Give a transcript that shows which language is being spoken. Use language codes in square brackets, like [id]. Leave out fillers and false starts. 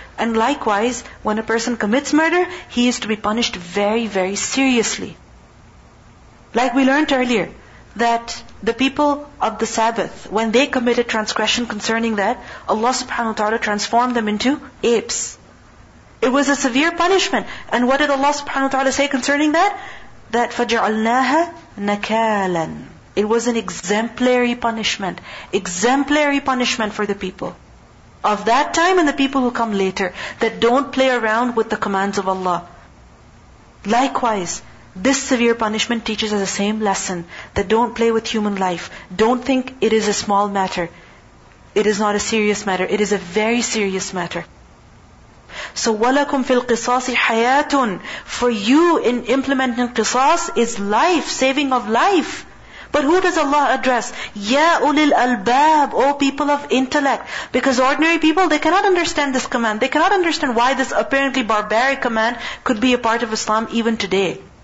[en] And likewise, when a person commits murder, he is to be punished very, very seriously. Like we learned earlier, that the people of the Sabbath, when they committed transgression concerning that, Allah subhanahu wa ta'ala transformed them into apes. It was a severe punishment. And what did Allah subhanahu wa ta'ala say concerning that? [ar] That فَجَعَلْنَاهَا نَكَالًا. [en] It was an exemplary punishment. Exemplary punishment for the people of that time and the people who come later, that don't play around with the commands of Allah. Likewise, this severe punishment teaches us the same lesson, that don't play with human life. Don't think it is a small matter. It is not a serious matter. It is a very serious matter. [ar] So وَلَكُمْ فِي الْقِصَاصِ حَيَاتٌ. [en] For you in implementing qisas is life, saving of life. But who does Allah address? [ar] Ya ulil albab, [en] O people of intellect. Because ordinary people, they cannot understand this command. They cannot understand why this apparently barbaric command could be a part of Islam even today.